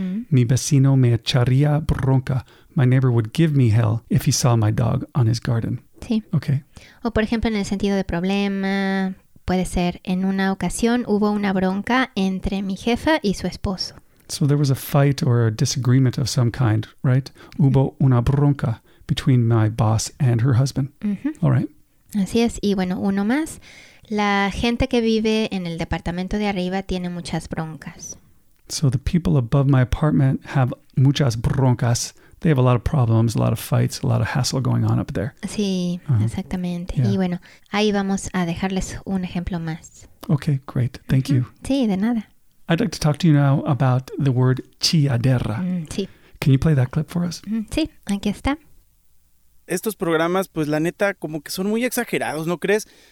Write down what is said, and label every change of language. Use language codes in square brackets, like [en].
[es] Mi vecino me echaría bronca. [en] My neighbor would give me hell if he saw my dog on his garden. [es] Sí. [en] Okay. [es] O por ejemplo, en el sentido de problema, puede ser, en una ocasión hubo una bronca entre mi jefa y su esposo. [en] So there was a fight or a disagreement of some kind, right? [es] Hubo una bronca [en] between my boss and her husband. All right. [es] Así es. Y bueno, uno más. La gente que vive en el departamento de arriba tiene muchas broncas. [en] So the people above my apartment have [es] muchas broncas. [en] They have a lot of problems, a lot of fights, a lot of hassle going on up there. [es] Sí, exactamente. [en] Yeah. [es] Y bueno, ahí vamos a dejarles un ejemplo más. [en] Okay, great. Thank you. [es] Sí, de nada. [en] I'd like to talk to you now about the word chiadera. [es] Sí. [en] Can you play that clip for us? [es] Sí, aquí está. Estos programas, pues la neta, como que son muy exagerados, ¿no crees?